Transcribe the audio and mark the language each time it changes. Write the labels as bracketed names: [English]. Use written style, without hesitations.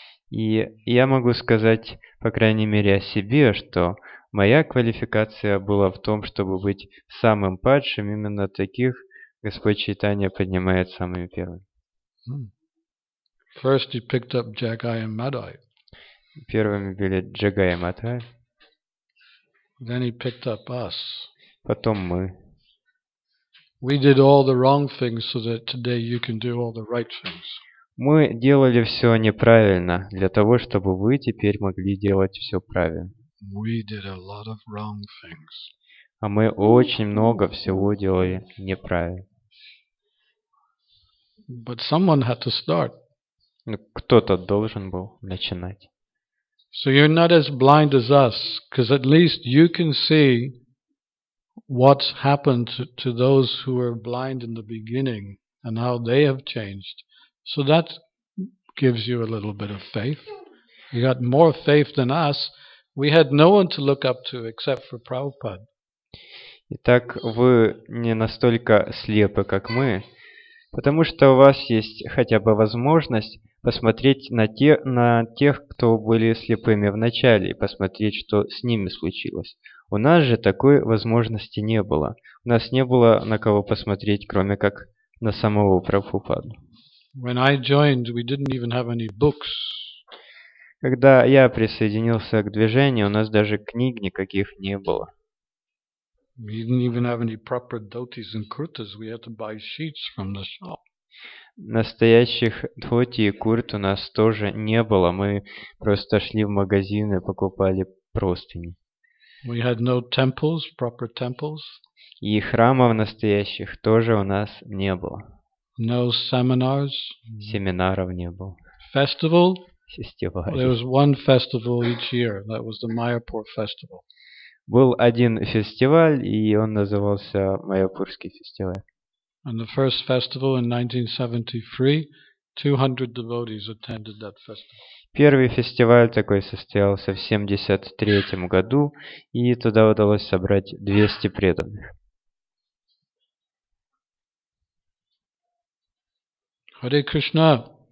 [Russian] И я могу сказать, по крайней мере, о себе, что моя квалификация была в том, чтобы быть самым падшим, именно таких Господь Чайтанья поднимает самыми первыми. [English] First he picked up Jagai and Madai. [Russian] Первыми были Джагай и Мадай. [English] Then he picked up us. [Russian] Потом мы. [English] We did all the wrong things so that today you can do all the right things. [Russian] Мы делали все неправильно для того, чтобы вы теперь могли делать все правильно. [English] We did a lot of wrong things. [Russian] А мы очень много всего делали неправильно. [English] But someone had to start. [Russian] Кто-то должен был начинать. [English] So you're not as blind as us, because at least you can see what's happened to those who were blind in the beginning and how they have changed. So that gives you a little bit of faith. You got more faith than us. We had no one to look up to except for Prabhupada. [Russian] Итак, вы не настолько слепы, как мы, потому что у вас есть хотя бы возможность посмотреть на тех, кто были слепыми в начале, и посмотреть, что с ними случилось. У нас же такой возможности не было. У нас не было на кого посмотреть, кроме как на самого Прабхупаду. [English] When I joined, we didn't even have any books. [Russian] Когда я присоединился к движению, у нас даже книг никаких не было. [English] We didn't even have any proper dhotis and kurtas. We had to buy sheets from the shop. [Russian] Настоящих дхоти и курт у нас тоже не было. Мы просто шли в магазин и покупали простыни. [English] We had no temples, proper temples. [Russian] И храмов настоящих тоже у нас не было. [English] No seminars. [Russian] Семинаров не было. [English] Festival. [Russian] Фестиваль. [English] There was one festival each year. That was the Mayapur festival. [Russian] Был один фестиваль, и он назывался Майяпурский фестиваль. [English] And the first festival in 1973, 200 devotees attended that festival. [Russian] Первый фестиваль такой состоялся в 73 году, и туда удалось собрать 200 преданных. [Sanskrit] Hare Krishna.